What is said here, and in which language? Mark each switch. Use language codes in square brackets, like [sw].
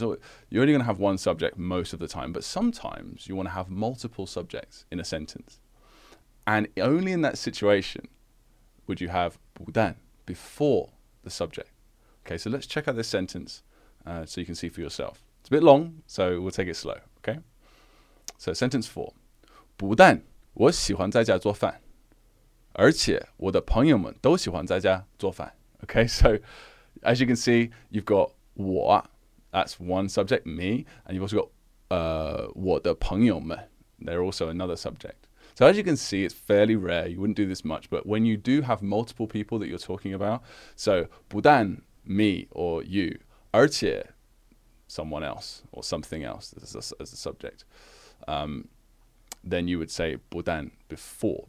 [en] So you're only going to have one subject most of the time, but sometimes you want to have multiple subjects in a sentence. And only in that situation would you have 不但 before the subject. Okay, so let's check out this sentence so you can see for yourself. It's a bit long, so we'll take it slow, okay? So sentence four. [zh] 不但我喜欢在家做饭，而且我的朋友们都喜欢在家做饭。 [en] Okay, so as you can see, you've got 我, that's one subject, me, and you've also got [zh] 我的朋友们, [en] they're also another subject. So as you can see, it's fairly rare, you wouldn't do this much, but when you do have multiple people that you're talking about, so 不但, me or you, 而且, someone else or something else as a subject, then you would say 不但, before.